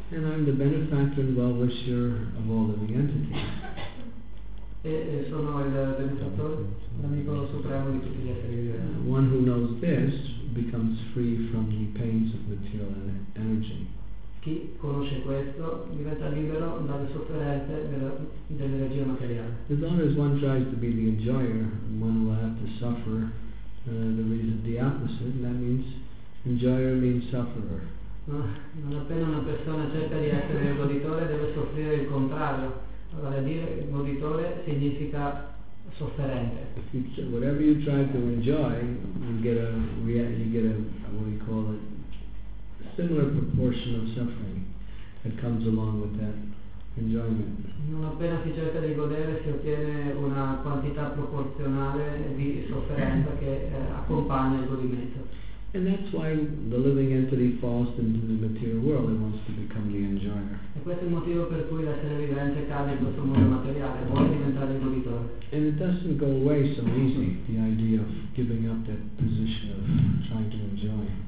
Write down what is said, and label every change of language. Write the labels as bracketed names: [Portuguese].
[English] And I am the benefactor and well-wisher of all living entities. [Italian] E sono il benefattore, l'amico supremo di tutti gli esseri viventi. [English] One who knows this becomes free from the pains of material energy. [Italian] Chi conosce questo diventa libero dalle sofferenze dell'energia materiale. [English] As long as one tries to be the enjoyer, one will have to suffer the opposite, and that means enjoyer means sufferer. [Italian] Non appena una persona cerca di essere il goditore, deve soffrire il contrario. Vale a dire, il goditore significa sofferente. [English] Whatever you try to enjoy, you get a what we call it, similar proportion of suffering that comes along with that enjoyment. [Italian] Non appena si cerca di godere si ottiene una quantità proporzionale di sofferenza che accompagna il godimento. [English] And that's why the living entity falls into the material world and wants to become the enjoyer. [Italian] E questo è il motivo per cui l'essere vivente cade in questo mondo materiale, vuole diventare il goditore. [English] And it doesn't go away so easy, the idea of giving up that position of trying to enjoy.